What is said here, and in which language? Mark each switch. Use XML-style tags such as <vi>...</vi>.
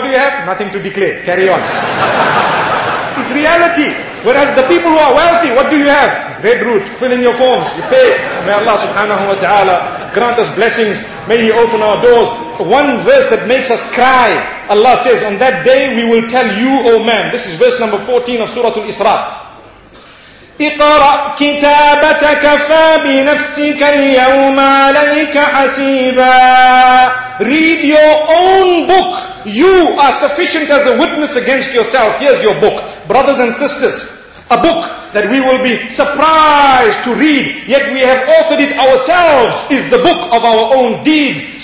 <en>What do you have? Nothing to declare. Carry on. It's reality. Whereas the people who are wealthy, what do you have? Red route. Fill in your forms. You pay. May Allah subhanahu wa ta'ala grant us blessings. May He open our doors. One verse that makes us cry. Allah says, on that day we will tell you, O man. This is verse number 14 of Surah Al-Isra.</en> <ar>اقرأ كتابك كفى بنفسك اليوم عليك حسيبا.</ar> <en>Read your own book. You are sufficient as a witness against yourself. Here's your book. Brothers and sisters, a book that we will be surprised to read, yet we have authored it ourselves, is the book of our own deeds.</en>